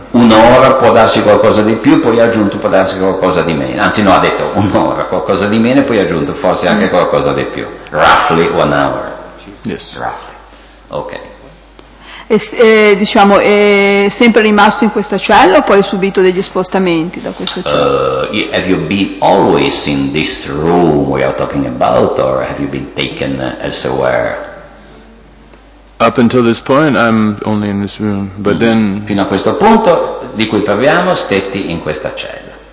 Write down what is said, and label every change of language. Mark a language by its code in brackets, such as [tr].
[it] Un'ora, può darsi qualcosa di più, poi aggiunto può darsi qualcosa di meno. Anzi, no, ha detto un'ora, qualcosa di meno, e poi aggiunto forse anche qualcosa di più. [en] Roughly 1 hour. Yes. Roughly. Ok. [it] È sempre rimasto in questa cella o poi ha subito degli spostamenti da questa cella? [en] Have you been always in this room we are talking about, or have you been taken elsewhere? Up until this point I'm only in this room, but then... [it] Fino a questo punto di cui parliamo, stetti in questa cella.